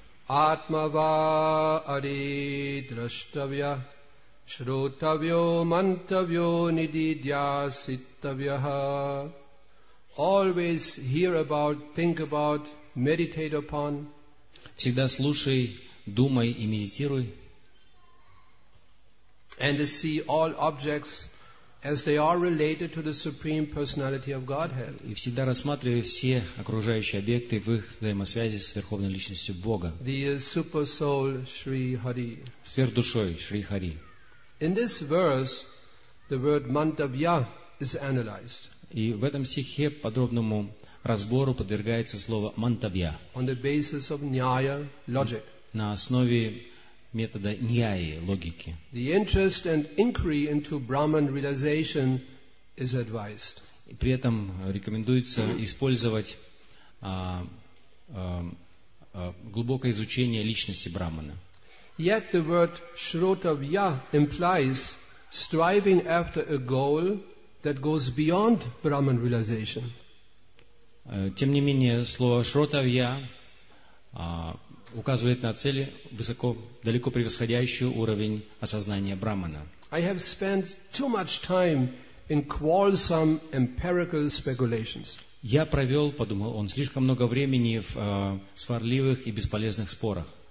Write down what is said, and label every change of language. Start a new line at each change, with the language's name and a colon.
Sanskrit: Атмава ари драштавья шрутавьо мантавьо нидидья ситтавьяха.
English: Always hear about, think about, meditate upon.
Russian: Всегда слушай, думай и медитируй.
English: And see all objects as they are related to the Supreme Personality of Godhead.
Russian: И всегда рассматривай все окружающие объекты в их взаимосвязи с Верховной Личностью Бога.
English: The Super Soul Shri Hari.
Russian: Сверхдушой Шри Хари.
English: In this verse, the word mantavya is analyzed.
Russian: И в этом стихе подробному разбору подвергается слово мантавья.
English: On the basis of nyaya, logic.
Russian: На основе метода ньяи, логики.
English: The interest and inquiry into Brahman realization is advised.
Russian: И при этом рекомендуется использовать глубокое изучение личности Брахмана.
English: Yet the word shrotavya implies striving after a goal that goes beyond Brahman realization.
Russian: Тем не менее, слово шротавья указывает на цели, высоко, далеко превосходящую уровень осознания Брахмана.
English: I have spent too much time in quarrelsome empirical speculations.
Russian: Я провел, подумал он, слишком много времени в сварливых и бесполезных спорах.